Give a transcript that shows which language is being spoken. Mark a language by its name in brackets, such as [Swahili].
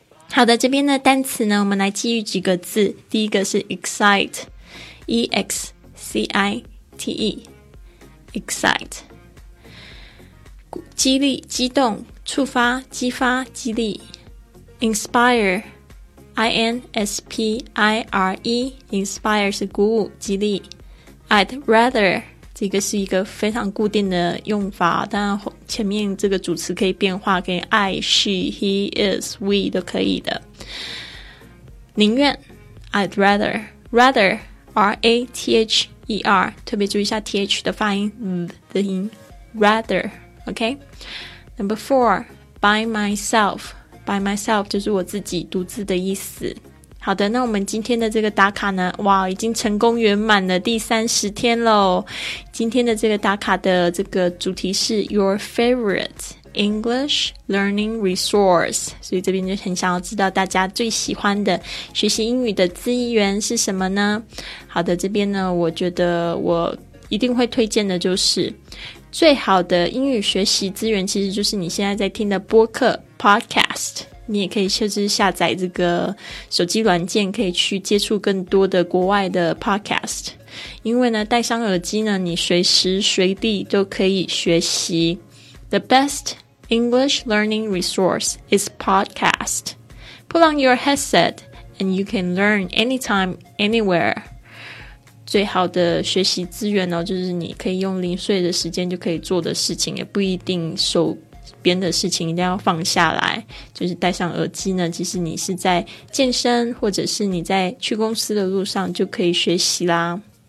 [Chinese] 好的，这边的单词呢，我们来记忆几个字。第一个是 excite, E-X-C-I-T-E, excite, 激励、激动、触发、激发、激励。 inspire, I-N-S-P-I-R-E, inspire 是鼓舞、激励。 I'd rather,这个是一个非常固定的用法，但前面这个主词可以变化，可以 I, she, he, is, we 都可以的。宁愿 I'd rather, rather, R-A-T-H-E-R, 特别注意一下 TH 的发音 the 音 rather, OK? [English] Number four, by myself, by myself [Chinese] 就是我自己独自的意思。好的，那我们今天的这个打卡呢，哇，已经成功圆满了第30天咯。今天的这个打卡的这个主题是 [English] Your Favorite English Learning Resource, [Chinese] 所以这边就很想要知道大家最喜欢的学习英语的资源是什么呢。好的，这边呢我觉得我一定会推荐的就是最好的英语学习资源，其实就是你现在在听的播客 Podcast。你也可以设置下载这个手机软件，可以去接触更多的国外的 podcast, 因为呢戴上耳机呢你随时随地都可以学习。 [English] The best English learning resource is podcast. Put on your headset and you can learn anytime, anywhere. [Chinese] 最好的学习资源呢，就是你可以用零碎的时间就可以做的事情，也不一定手边的事情一定要放下来，就是戴上耳机呢，其实你是在健身或者是你在去公司的路上就可以学习啦。